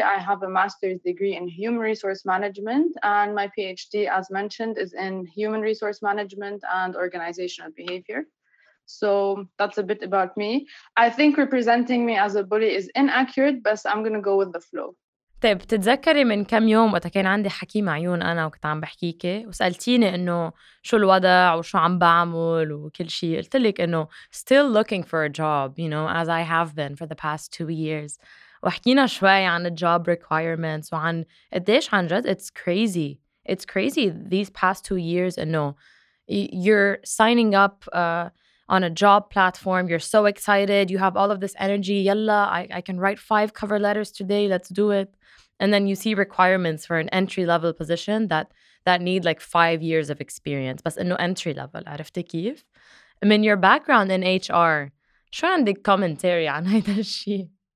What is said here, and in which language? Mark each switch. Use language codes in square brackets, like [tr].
[en] I have a master's degree in human resource management, and my PhD, as mentioned, is in human resource management and organizational behavior. So that's a bit about me. I think representing me as a bully is inaccurate, but I'm going to go with the flow. [ar] طيب بتتذكري من كم يوم وقتا كان عندي حكيم عيون أنا وكنت عم بحكيكي وسألتيني إنه شو الوضع وشو عم بعمل وكل شيء قلتلك إنه [en] still looking for a job, you know, as I have been for the past 2 years. [ar] وحكينا شوي عن [en] the job requirements [ar] وعن قديش عن جد [en] it's crazy. It's crazy these past 2 years [ar] إنه [en] you're signing up on a job platform, you're so excited, you have all of this energy, yalla, I can write 5 cover letters today, let's do it. And then you see requirements for an entry-level position that need like 5 years of experience. [ar] بس إنه entry-level, عرفت كيف؟ من [en] your background in HR, [ar] شو عندك commentary عن هذا الشيء؟